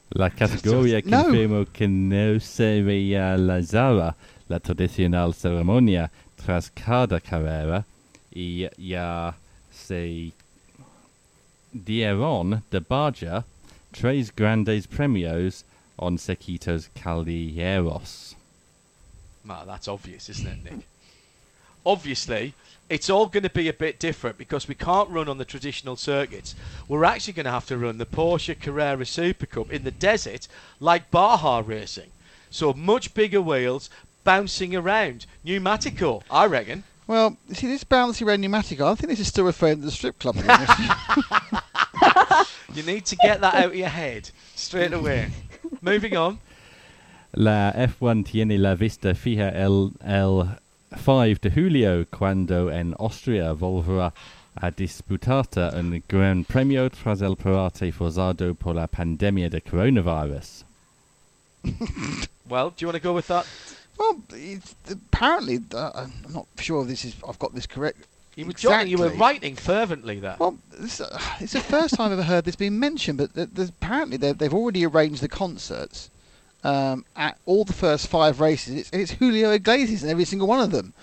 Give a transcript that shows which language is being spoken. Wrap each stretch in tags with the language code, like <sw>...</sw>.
<es>La categoría confirmó que no se realizará la tradicional ceremonia tras cada carrera y ya se dieron de baja tres grandes premios en circuitos callejeros.</es> <en>Well, that's obvious, isn't it, Nick? Obviously, it's all going to be a bit different because we can't run on the traditional circuits. We're actually going to have to run the Porsche Carrera Super Cup in the desert like Baja racing. So much bigger wheels bouncing around. Pneumatico, I reckon. Well, you see, this bouncing around pneumatico, I think this is still referring to the strip club. You need to get that out of your head straight away. Moving on.</en> <es>La F1 tiene la vista fija el 5 de julio, cuando en Austria volverá a disputarte un gran premio tras el parate forzado por la pandemia de coronavirus.</es> <en>Well, do you want to go with that? Well, apparently, I'm not sure this is. I've got this correct. You were, exactly. Johnny, you were writing fervently there. Well, it's the first time I've ever heard this being mentioned, but apparently they've already arranged the concerts. At all the first five races, it's Julio Iglesias in every single one of them.</en>